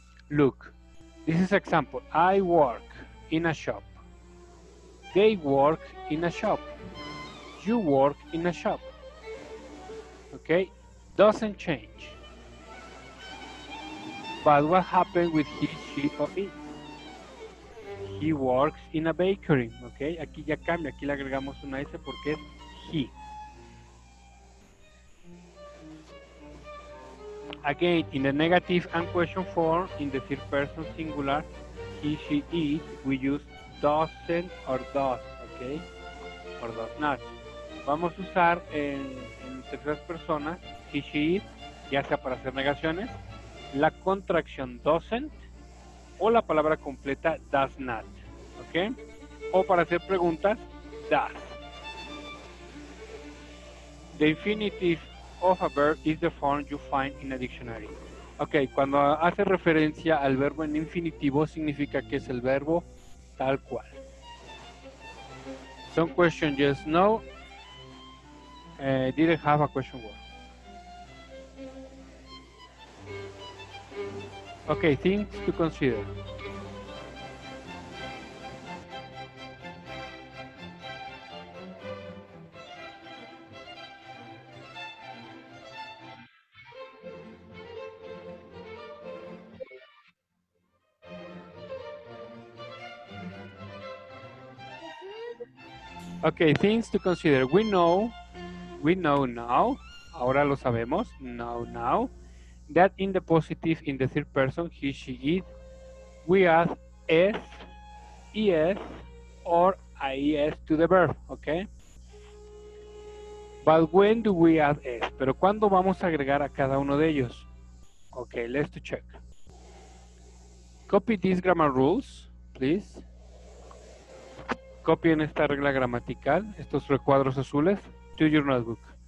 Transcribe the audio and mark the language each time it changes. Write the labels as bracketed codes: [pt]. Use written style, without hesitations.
[en] Look, this is example. I work in a shop. They work in a shop. You work in a shop. Okay? Doesn't change. But what happened with he, she, or it? He works in a bakery, ¿ok? [es] Aquí ya cambia, aquí le agregamos una S porque es he. [en] again, in the negative and question form, in the third person singular, he, she, it, we use doesn't or does, okay? Or does not. [es] Vamos a usar en terceras personas, he, she, it, ya sea para hacer negaciones, la contracción doesn't o la palabra completa does not, okay? O para hacer preguntas, does. [en] The infinitive of a verb is the form you find in a dictionary. [es] Ok, cuando hace referencia al verbo en infinitivo, significa que es el verbo tal cual. [en] Some question, yes, no. Didn't have a question word. Ok, things to consider. Okay, things to consider. We know now, [es] ahora lo sabemos, [en] now, that in the positive, in the third person, he, she, it, we add s, es, or ies to the verb, okay? But when do we add s? [es] Pero ¿cuándo vamos a agregar a cada uno de ellos? [en] Okay, let's to check. Copy these grammar rules, please. [es] Copien esta regla gramatical, estos recuadros azules, [en] to your notebook.